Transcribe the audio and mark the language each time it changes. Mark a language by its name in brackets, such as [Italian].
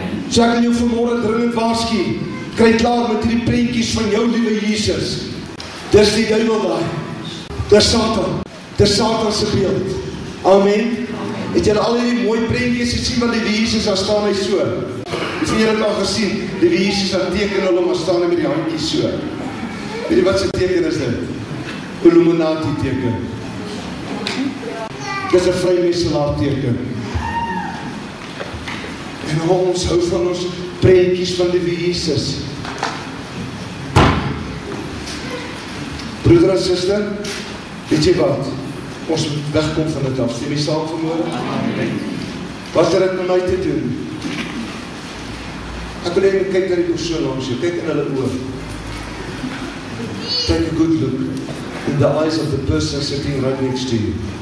[Afrikaans] So ek in jou vanmorgen dringend waarsku, kry klaar met die prentjies van jou liewe Jesus. Dis die duivel daar. Dis Satan. Dis Satan se beeld. Amen! Het jy al die mooie prentjies gesien van die Jesus, daar staan hy so. Het jy het al gesien, die Jesus daar teken hulle, maar staan hy met die handjies so. Weet jy wat sy teken is dit? Illuminati teken. Dit is een vrymeselaar teken. En ons hou van ons prentjies van die Jesus. Broeder en sister, weet jy wat? Ons moet wegkom van dit af, stem jy saam vanmorgen? Wat het dit met my te doen? Ek wil even kyk na die persoon langs jou, kyk in hulle oor. [English] Take a good look in the eyes of the person sitting right next to you.